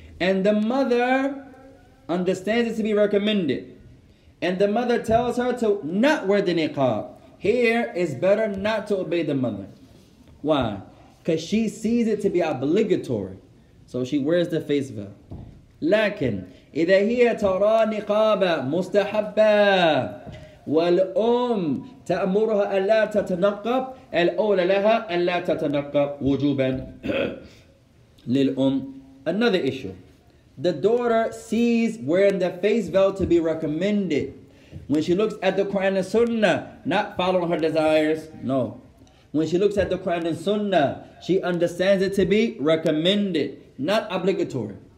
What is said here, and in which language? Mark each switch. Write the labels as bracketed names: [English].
[English] And the mother understands it to be recommended. And the mother tells her to not wear the niqab. Here, it's better not to obey the mother. Why? Because she sees it to be obligatory. So she wears the face veil. [Arabic] لكن إذا هي ترى نقابا مستحبا والأم تأمرها ألا تتنقب الأولى لها ألا تتنقب وجوبا للأم. [English] Another issue. The daughter sees wearing the face veil to be recommended. When she looks at the Quran and Sunnah, not following her desires, no. When she looks at the Quran and Sunnah, she understands it to be recommended, not obligatory.